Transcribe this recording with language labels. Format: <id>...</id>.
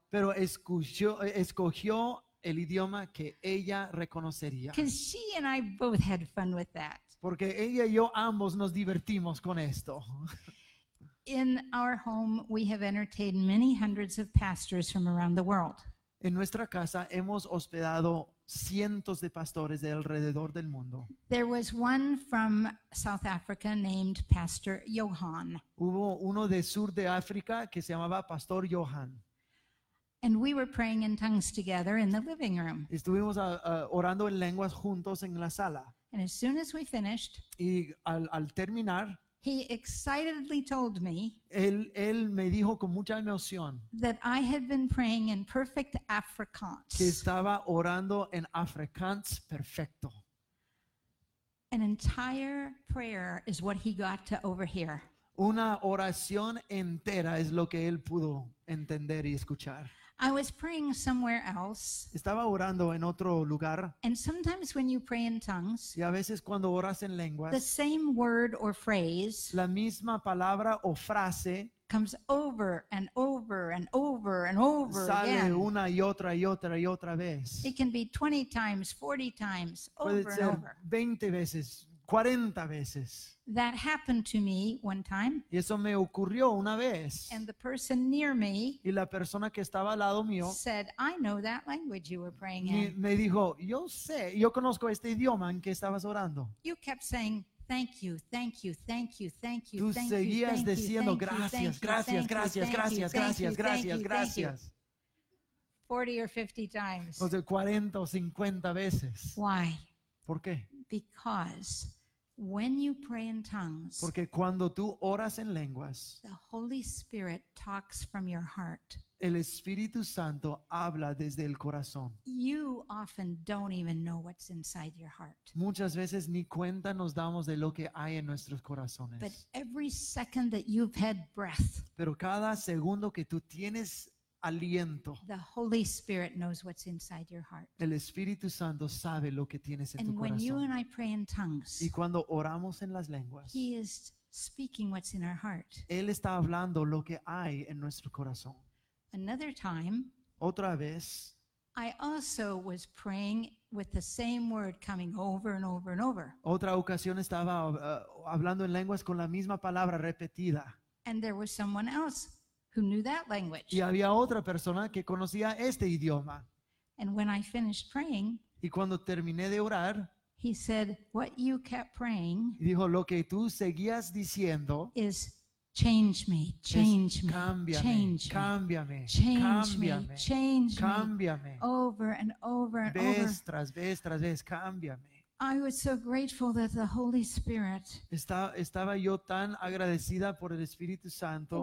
<es>Pero escogió el idioma que ella reconocería.</es> <en>Because she and I both had fun with that.</en> <es>Porque ella y yo ambos nos divertimos con esto.</es> <en>In our home, we have entertained many hundreds of pastors from around the world.</en> <es>En nuestra casa hemos hospedado cientos de pastores de alrededor del mundo.</es> <en>There was one from South Africa named Pastor Johan.</en> <es>Hubo uno de sur de África que se llamaba Pastor Johan.</es> <en>And we were praying in tongues together in the living room.</en> <es>Estuvimos orando en lenguas juntos en la sala.</es> <en>And as soon as we finished,</en> <es>y al terminar,</es> <en>he excitedly told me,</en> <es>él me dijo con mucha emoción,</es> <en>that I had been praying in perfect Afrikaans.</en> <es>Que estaba orando en Afrikaans perfecto.</es> <en>An entire prayer is what he got to overhear.</en> <es>Una oración entera es lo que él pudo entender y escuchar.</es> <en>I was praying somewhere else.</en> <es>Estaba orando en otro lugar.</es> <en>And sometimes when you pray in tongues,</en> <es>y a veces cuando oras en lenguas,</es> <en>the same word or phrase,</en> <es>la misma palabra o frase,</es> <en>comes over and over and over and over again.</en> <es>Sale una y otra y otra y otra vez.</es> <en>It can be 20 times, 40 times, over and over.</en> <es>20 veces, 40 veces.</es> <en>That happened to me one time.</en> <es>Y eso me ocurrió una vez.</es> <en>And the person near me,</en> <es>y la persona que estaba al lado mío,</es> <en>said, I know that language you were praying in.</en> <es>Me dijo, yo sé, yo conozco este idioma en que estabas orando.</es> <en>You kept saying, thank you, thank you, thank you, thank you.</en> <es>Tú seguías diciendo gracias, gracias, gracias, gracias, gracias, gracias, gracias.</es> <en>40 or 50 times.</en> <es>O sea, 40 o 50 veces.</es> <en>Why?</en> <es>¿Por qué?</es> <en>Because when you pray in tongues,</en> <es>porque cuando tú oras en lenguas,</es> <en>the Holy Spirit talks from your heart.</en> <es>El Espíritu Santo habla desde el corazón.</es> <en>You often don't even know what's inside your heart.</en> <es>Muchas veces ni cuenta nos damos de lo que hay en nuestros corazones.</es> <en>But every second that you've had breath,</en> <es>pero cada segundo que tú tienes aliento,</es> <en>the Holy Spirit knows what's inside your heart.</en> <es>El Espíritu Santo sabe lo que tienes en</es> <en>and</en> <es>tu</es> <en>when</en> <es>corazón.</es> <en>You and I pray in tongues,</en> <es>y cuando oramos en las lenguas,</es> <en>He is speaking what's in our heart.</en> <es>Él está hablando lo que hay en nuestro corazón.</es> <en>Another time,</en> <es>otra vez,</es> <en>I also was praying with the same word coming over and over and over.</en> <es>Otra ocasión estaba hablando en lenguas con la misma palabra repetida.</es> <en>And there was someone else who knew that language.</en> <es>Y había otra persona que conocía este idioma.</es> <en>And when I finished praying,</en> <es>y cuando terminé de orar,</es> <en>he said, "What you kept praying,"</en> <es>dijo, "lo que tú seguías diciendo</es> <en>is change me, change me,</en> <es>cámbiame,</es> <en>change me,</en> <es>cámbiame,</es> <en>change</en> <es>cámbiame,</es> <en>me, change</en> <es>cámbiame,</es> <en>me, over and over and</en> <es>vez</es> <en>over,</en> <es>tras vez tras vez, cámbiame."</es> <en>I was so grateful that the Holy Spirit</en> <es>estaba yo tan agradecida por el Espíritu Santo</es>